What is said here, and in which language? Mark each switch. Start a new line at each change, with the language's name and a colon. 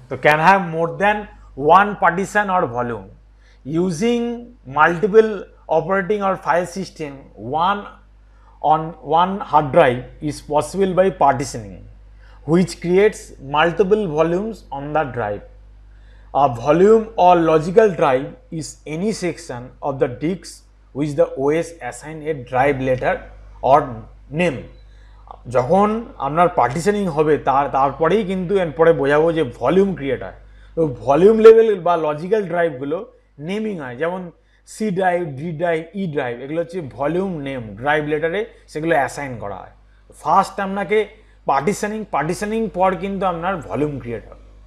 English: তো can have more than one partition or volume, using multiple operating or file system one on one hard drive is possible by partitioning which creates multiple volumes on the drive. A volume or logical drive is any section of the disk which the OS assign a drive letter or name.
Bangla: যখন আপনার partitioning হবে তারপরেই কিন্তু এরপরে বোঝাবো যে volume create হয়। তো ভলিউম লেভেল বা লজিক্যাল ড্রাইভগুলো নেমিং হয়, যেমন সি ড্রাইভ, ডি ড্রাইভ, ই ড্রাইভ, এগুলো হচ্ছে ভলিউম নেম, ড্রাইভ লেটারে সেগুলো অ্যাসাইন করা হয়। ফার্স্ট আপনাকে পার্টিশনিং, পার্টিশনিং পর কিন্তু আপনার ভলিউম ক্রিয়েট হবে।